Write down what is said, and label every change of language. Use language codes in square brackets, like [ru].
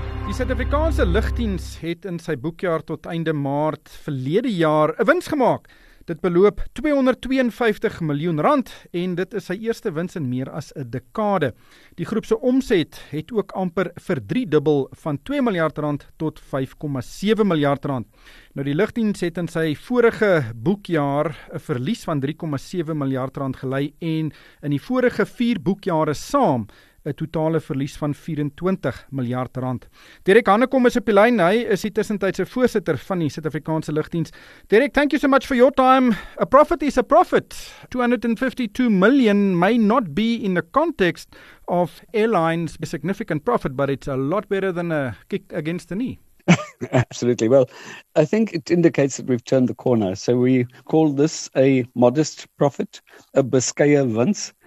[af] Die Suid-Afrikaanse Lugdiens het in sy boekjaar tot einde maart verlede jaar 'n wins gemaak. Dit beloop 252 miljoen rand en dit is sy eerste wins in meer as 'n dekade. Die groep se omset het ook amper verdriedubbel van 2 miljard rand tot 5,7 miljard rand. Nou die Lugdiens het in sy vorige boekjaar 'n verlies van 3,7 miljard rand gelei en in die vorige 4 boekjare saam 'n totale verlies van 24 miljard rand. Derek Hannekom is op die lyn. Hy is die tussentydse voorsitter van die Suid-Afrikaanse Lugdiens. [en] Derek, thank you so much for your time. A profit is a profit. 252 million may not be in the context of airlines a significant profit, but it's a lot better than a kick against the knee. Absolutely. Well, I think it indicates that we've turned the corner. So we call this a modest profit, a [af] beskeie wins.